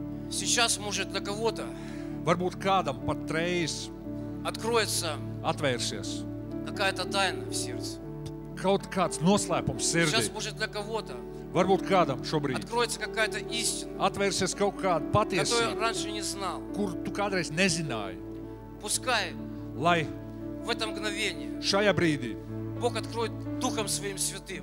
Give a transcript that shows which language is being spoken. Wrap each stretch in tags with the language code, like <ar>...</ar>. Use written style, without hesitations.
<ru>Сейчас может для кого-то.</ru> <lv>Varbūt kādam pat reiz.</lv> <ru>Откроется.</ru> <lv>Atvērsies.</lv> <ru>Какая-то тайна в сердце.</ru> <lv>Kaut kāds noslēpums sirdī.</lv> <ru>Сейчас может для кого-то.</ru> <lv>Varbūt kādam šobrīd.</lv> <ru>Откроется какая-то истина.</ru> <lv>Atvērsies kaut kāda patiesība.</lv> <ru>Которую раньше не знал.</ru> <lv>Kur tu kādreiz nezināji.</lv> <ru>Пускай.</ru> <lv>Lai.</lv> <ru>В это мгновение.</ru> <lv>Šajā brīdī.</lv> <ru>Бог откроет духом своим святым.</ru>